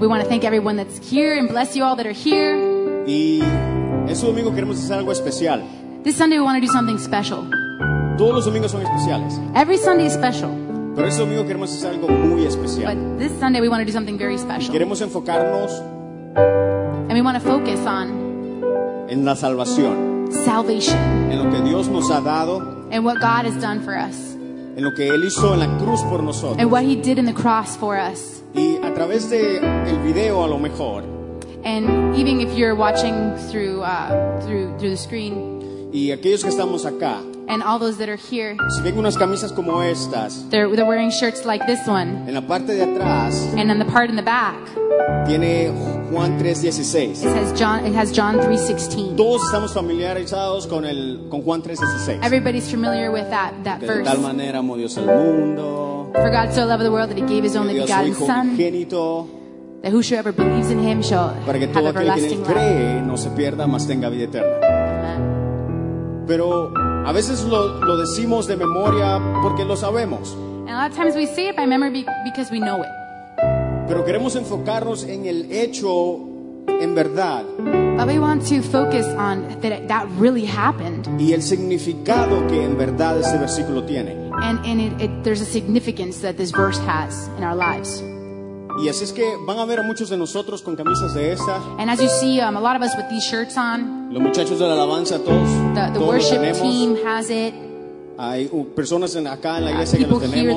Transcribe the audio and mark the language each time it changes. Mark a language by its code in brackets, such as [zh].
[en] We want to thank everyone that's here and bless you all that are here. [es] Y este domingo queremos hacer algo especial. [en] This Sunday we want to do something special. [es] Todos los domingos son especiales. [en] Every Sunday is special. [es] Pero este domingo queremos hacer algo muy especial. [en] But this Sunday we want to do something very special. [es] Y queremos enfocarnos. [en] And we want to focus on. [es] En la salvación. [en] Salvation. [es] En lo que Dios nos ha dado. [en] And what God has done for us. [es] En lo que Él hizo en la cruz por nosotros. [en] And what He did in the cross for us. [es] Y a través de el video a lo mejor. [en] And even if you're watching through through the screen. [es] Y aquellos que estamos acá. [en] And all those that are here. [es] Si ven unas camisas como estas. [en] They're wearing shirts like this one. [es] En la parte de atrás. [en] And on the part in the back. [es] Tiene Juan 3:16. [en] It has John 3:16. [es] Todos estamos familiarizados con Juan 3:16. [en] Everybody's familiar with that verse. [es] De tal manera amó Dios el mundo. [en] For God so loved the world that He gave His only begotten Son. [es] Unigénito. [en] That whosoever believes in Him shall [es] para que todo aquel que en Él cree no se pierda, mas tenga vida eterna. Pero a veces lo decimos de memoria porque lo sabemos. [en] And a lot of times we say it by memory because we know it. [es] Pero queremos enfocarnos en el hecho en verdad. [en] But we want to focus on that really happened. [es] Y el significado que en verdad ese versículo tiene. [en] And there's a significance that this verse has in our lives. [es] Y así es que van a ver a muchos de nosotros con camisas de esta. [en] And as you see, a lot of us with these shirts on. [es] Los muchachos de la alabanza todos. [en] The worship team has it. [es] Hay personas acá en la iglesia que lo tenemos.